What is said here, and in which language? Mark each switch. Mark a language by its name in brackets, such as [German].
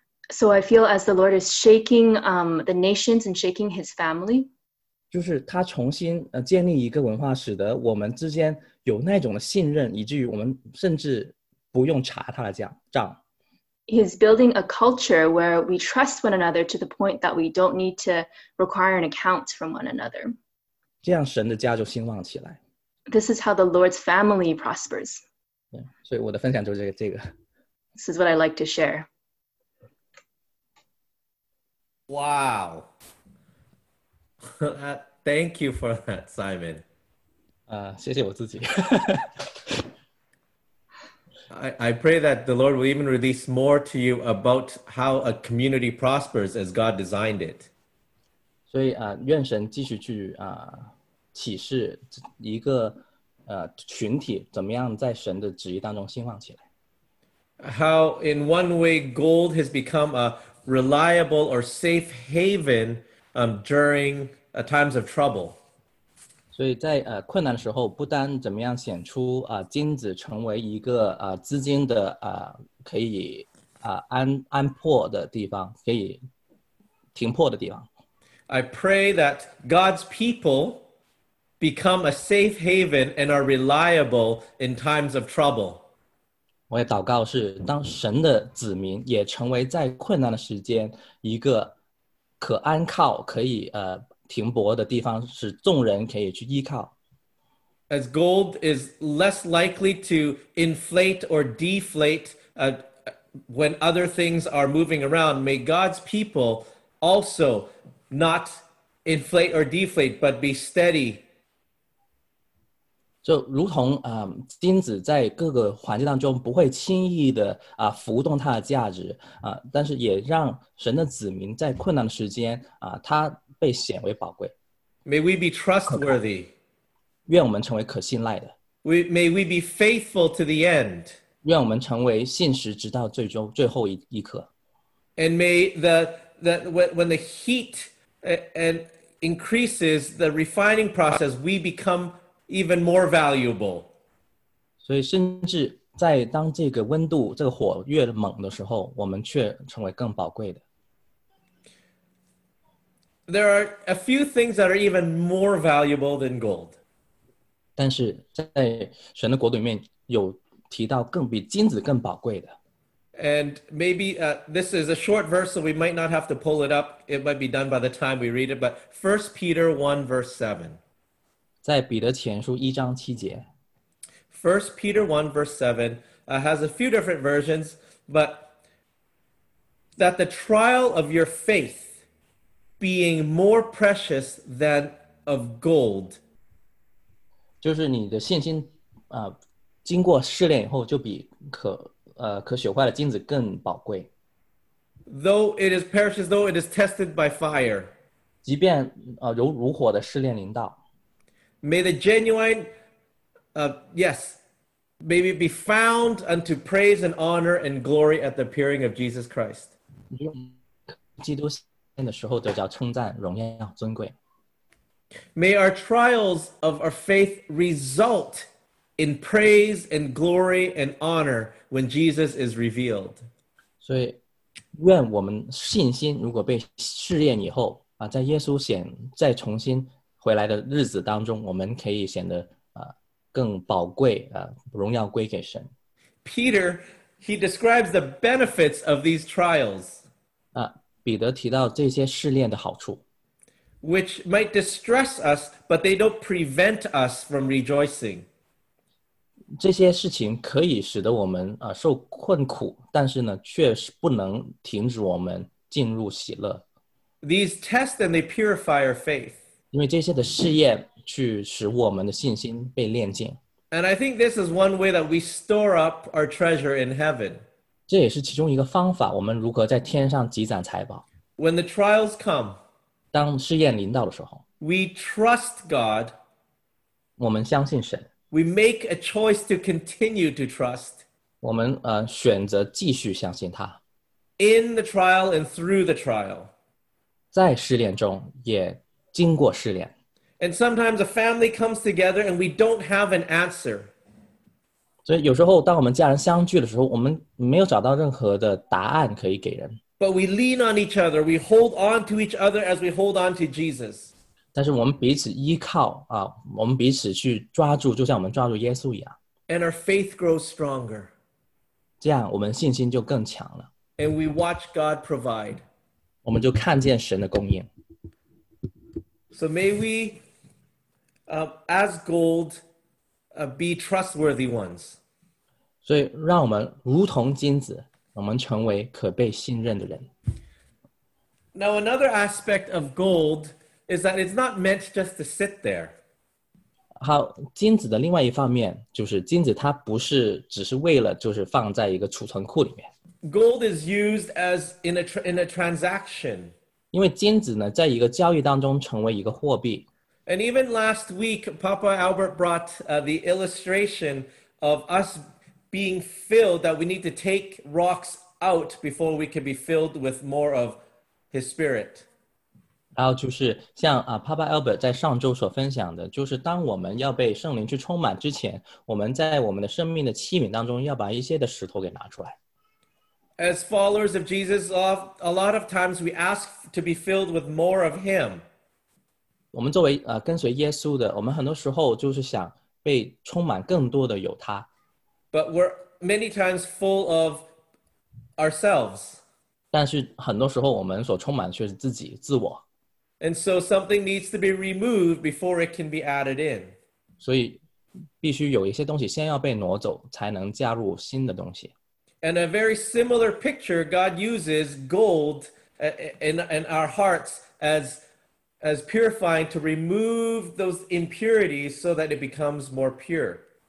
[English] So I feel as the Lord is shaking the nations and shaking his family. [Chinese] 就是他重新建立一个文化，使得我们之间有那种的信任，以至于我们甚至不用查他的账。 [English] He's building a culture where we trust one another to the point that we don't need to require an account from one another. [Chinese] 这样神的家就兴旺起来。 [English] This is how the Lord's family prospers. [Chinese] 所以我的分享就是这个。 [English] This is what I like to share. Wow. Thank you for that, Simon. [Chinese] 谢谢我自己。 [English] I pray that the Lord will even release more to you about how a community prospers as God designed it. [Chinese] 所以啊，愿神继续去啊启示一个群体怎么样在神的旨意当中兴旺起来。 [English] How in one way gold has become a reliable or safe haven during times of trouble. [Chinese] 所以在困难的时候，不单怎么样显出金子成为一个资金的可以安破的地方，可以停破的地方。 [English] I pray that God's people become a safe haven and are reliable in times of trouble. [Chinese] 我也祷告是当神的子民也成为在困难的时间一个可安靠可以停泊的地方使众人可以去依靠。 [English] As gold is less likely to inflate or deflate when other things are moving around, may God's people also not inflate or deflate, but be steady. [Chinese] 就如同金子在各个环境当中不会轻易的浮动它的价值但是也让神的子民在困难的时间它被显为宝贵。 [English] May we be trustworthy. [Chinese] 愿我们成为可信赖的。 [English] May we be faithful to the end. [Chinese] 愿我们成为信实直到最终最后一刻。 [English] And may when the heat and increases the refining process, we become even more valuable. [Chinese] 所以甚至在当这个温度这个火越猛的时候我们却成为更宝贵的。 [English] There are a few things that are even more valuable than gold. [Chinese] 但是在神的国度里面有提到更比金子更宝贵的。 [English] And maybe this is a short verse, so we might not have to pull it up. It might be done by the time we read it. But 1 Peter 1, verse 7. [Chinese] 在彼得前书一章七节。 [English] 1 Peter 1, verse 7 has a few different versions, but that the trial of your faith being more precious than of gold. [Chinese] 就是你的信心经过试炼以后就比可朽坏的金子更宝贵。 [English] Though it is perishes, though it is tested by fire. [Chinese] 即便由如火的试炼临到。 [English] May the genuine, may it be found unto praise and honor and glory at the appearing of Jesus Christ. [Chinese] 基督显现的时候得着称赞、荣耀、尊贵。 [English] May our trials of our faith result in praise and glory and honor. When Jesus is revealed. [Chinese] 所以愿我们信心如果被试验以后在耶稣显再重新回来的日子当中我们可以显得更宝贵荣耀归给神。 [English] Peter, he describes the benefits of these trials. [Chinese] 彼得提到这些试炼的好处。 [English] Which might distress us, but they don't prevent us from rejoicing. [Chinese] 这些事情可以使得我们受困苦，但是呢，却是不能停止我们进入喜乐。 [English] These test and they purify our faith. [Chinese] 因为这些的试验去使我们的信心被炼净。 [English] And I think this is one way that we store up our treasure in heaven. [Chinese] 这也是其中一个方法，我们如何在天上积攒财宝。 [English] When the trials come, [Chinese] 当试验临到的时候 [English] ，We trust God. [Chinese] 我们相信神。 [English] We make a choice to continue to trust. [Chinese] 我们选择继续相信他。 [English] In the trial and through the trial. [Chinese] 在试炼中也经过试炼。 [English] And sometimes a family comes together and we don't have an answer. [Chinese] 所以有时候当我们家人相聚的时候我们没有找到任何的答案可以给人。 [English] But we lean on each other. We hold on to each other as we hold on to Jesus. [Chinese] 但是我们彼此依靠我们彼此去抓住就像我们抓住耶稣一样。 [English] And our faith grows stronger. [Chinese] 这样我们信心就更强了。 [English] And we watch God provide. [Chinese] 我们就看见神的供应。 [English] So may we, as gold, be trustworthy ones. [Chinese] 所以让我们如同金子我们成为可被信任的人。 [English] Now another aspect of gold,is that it's not meant just to sit there. [Chinese] 好，金子的另外一方面就是金子它不是只是为了就是放在一个储存库里面。 [English] Gold is used as in a transaction. [Chinese] 因为金子呢，在一个交易当中成为一个货币。 [English] And even last week, Papa Albert brought the illustration of us being filled, that we need to take rocks out before we can be filled with more of His Spirit. [Chinese] 然后就是像Papa Albert 在上周所分享的，就是当我们要被圣灵去充满之前，我们在我们的生命的器皿当中要把一些的石头给拿出来。 [English] As followers of Jesus, a lot of times we ask to be filled with more of Him. [Chinese] 我们作为跟随耶稣的，我们很多时候就是想被充满更多的有他。 [English] But we're many times full of ourselves. [Chinese] 但是很多时候我们所充满的却是自己，自我。 [English] And so something needs to be removed before it can be added in. [Chinese] 所以必须有一些东西先要被挪走，才能加入新的东西。 [English] And a very similar picture, God uses gold in our hearts as purifying to remove those impurities so that it becomes more pure.